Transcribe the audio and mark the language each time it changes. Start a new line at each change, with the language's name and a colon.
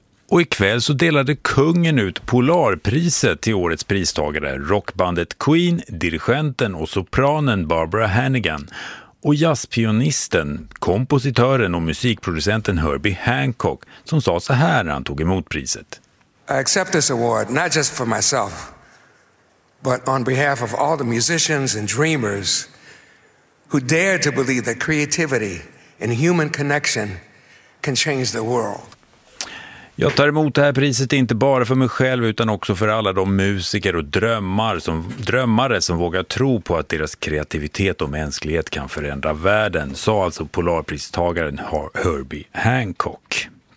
Swedish: Och ikväll så delade kungen ut Polarpriset till årets pristagare, rockbandet Queen, dirigenten och sopranen Barbara Hannigan och jazzpionisten, kompositören och musikproducenten Herbie Hancock, som sa så här när han tog emot priset.
English: I accept this award not just for myself, but on behalf of all the musicians and dreamers who dare to believe that creativity and human connection can change the world.
Swedish: Jag tar emot det här priset inte bara för mig själv utan också för alla de musiker och drömmare som vågar tro på att deras kreativitet och mänsklighet kan förändra världen, sa alltså Polarpristagaren Herbie Hancock.